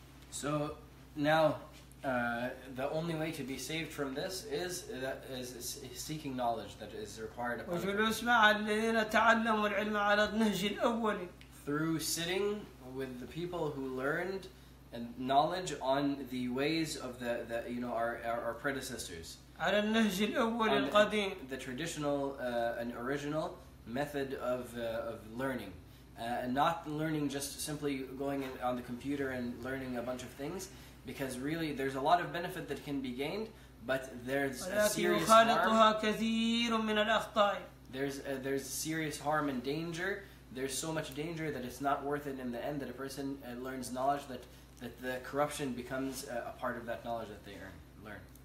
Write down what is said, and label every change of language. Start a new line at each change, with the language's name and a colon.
English: So now the only way to be saved from this is that is seeking knowledge that is required.
Arabic: وجلوس مع الذين تعلموا العلم على النهج الأول.
English: Through sitting with the people who learned and knowledge on the ways of the you know our predecessors.
Arabic: على النهج الأول القديم.
English: The traditional and original method of learning, and not learning just simply going in on the computer and learning a bunch of things, because really there's a lot of benefit that can be gained, but there's a serious harm.
Arabic: يخالطها كثير من الأخطاء.
English: There's serious harm and danger. There's so much danger that it's not worth it in the end that a person learns knowledge that the corruption becomes a part of that knowledge that they learn.